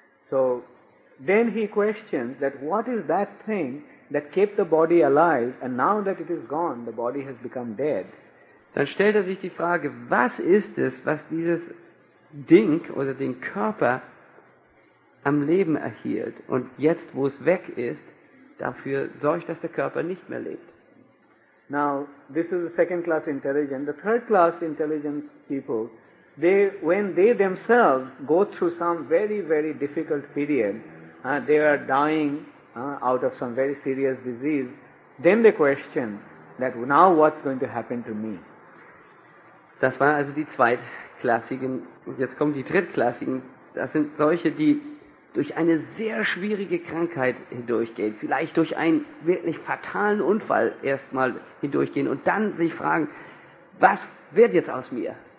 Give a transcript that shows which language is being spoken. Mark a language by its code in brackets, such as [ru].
[en] So, then he questions that what is that thing that kept the body alive and now that it is gone, the body has become dead. [de] Dann stellt sich die Frage, was ist es, was dieses Ding oder den Körper am Leben erhielt und jetzt, wo es weg ist, dafür sorgt, dass der Körper nicht mehr lebt. [en] Now, this is the second class intelligence. The third class intelligence people, they, when they themselves go through some very, very difficult period, they are dying out of some very serious disease, then they question that now what's going to happen to me? [de] Das waren also die zweitklassigen, und jetzt kommen die drittklassigen. Das sind solche, die durch eine sehr schwierige Krankheit hindurchgehen, vielleicht durch einen wirklich fatalen Unfall erstmal hindurchgehen und dann sich fragen, was wird jetzt aus mir?